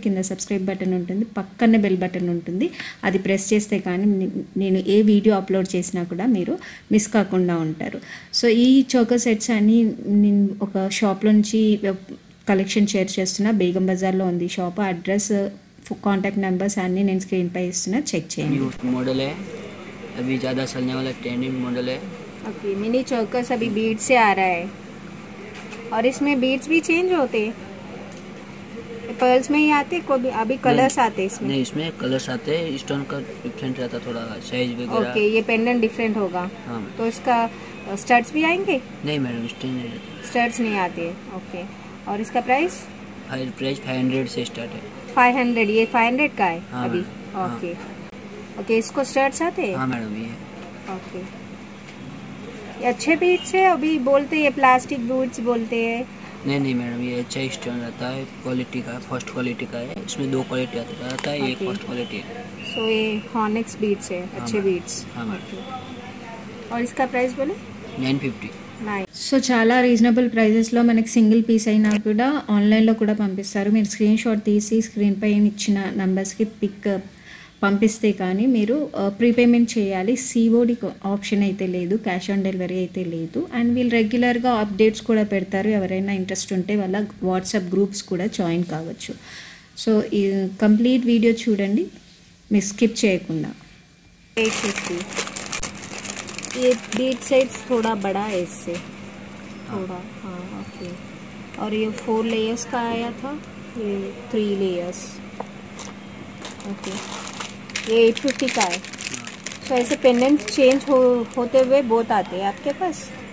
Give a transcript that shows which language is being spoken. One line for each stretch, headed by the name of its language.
Telugu: కింద subscribe button ఉంటుంది, పక్కన బెల్ బటన్ ఉంటుంది, అది ప్రెస్ చేస్తే కానీ నేను ఏ వీడియో అప్లోడ్ చేసినా కూడా మీరు మిస్ కాకుండా ఉంటారు. సో ఈ చోకర్ సెట్స్ అని నేను ఒక షాప్లో నుంచి కలెక్షన్ షేర్ చేస్తున్నా. బేగం బజార్లో ఉంది షాప్, అడ్రస్, కాంటాక్ట్ నెంబర్స్ అన్నీ నేను స్క్రీన్ పై ఇస్తున్నా, చెక్ చేయండి.
Hindi: अभी ज़्यादा चलने वाला ट्रेंडिंग मॉडल है. ओके, मिनी चौकस अभी बीट से आ रहा है और इसमें बीट्स भी चेंज होते हैं. पर्ल्स में ही आते कभी? अभी कलर्स आते हैं इसमें? नहीं, इसमें कलर्स आते हैं. स्टोन का डिफरेंट रहता थोड़ा साइज वगैरह. ओके, ये पेंडेंट डिफरेंट होगा. हाँ, तो इसका स्टड्स भी आएंगे? नहीं मैडम, स्टड्स नहीं आते. ओके, और इसका प्राइस? प्राइस 500 से स्टार्ट है. 500? ये 500 का है अभी? ओके ओके, इसको स्टड्स आते हैं? हाँ मैडम, ये ओके. ये अच्छे बीट्स है? अभी बोलते हैं प्लास्टिक बूट्स बोलते हैं. नहीं नहीं मैडम, ये अच्छा स्टोन रहता है, क्वालिटी का, फर्स्ट क्वालिटी का है. इसमें दो क्वालिटी आता है. okay. एक फर्स्ट क्वालिटी है. सो ये हॉनेक्स बीट्स है, अच्छे बीट्स. हाँ मैडम. और इसका प्राइस बोले? 950.
Telugu: సో చాలా రీజనబుల్ ప్రైజెస్లో మనకి సింగిల్ పీస్ అయినా కూడా ఆన్లైన్లో కూడా పంపిస్తారు. మీరు స్క్రీన్ షాట్ తీసి స్క్రీన్ పైన ఇచ్చిన నంబర్స్కి పిక్ పంపిస్తే కానీ మీరు ప్రీపేమెంట్ చేయాలి. సీఓడి ఆప్షన్ అయితే లేదు, క్యాష్ ఆన్ డెలివరీ అయితే లేదు. అండ్ వీళ్ళు రెగ్యులర్గా అప్డేట్స్ కూడా పెడతారు. ఎవరైనా ఇంట్రెస్ట్ ఉంటే వాళ్ళ వాట్సాప్ గ్రూప్స్ కూడా జాయిన్ కావచ్చు. సో ఈ కంప్లీట్ వీడియో చూడండి, మీ స్కిప్ చేయకుండా.
Hindi: ये बीट साइज थोड़ा बड़ा है इससे थोड़ा. हाँ ओके, और ये फोर लेयर्स का आया था, ये थ्री लेयर्स. ओके, ये 850 का है. तो ऐसे पेंडेंट चेंज होते हुए बहुत आते हैं आपके पास?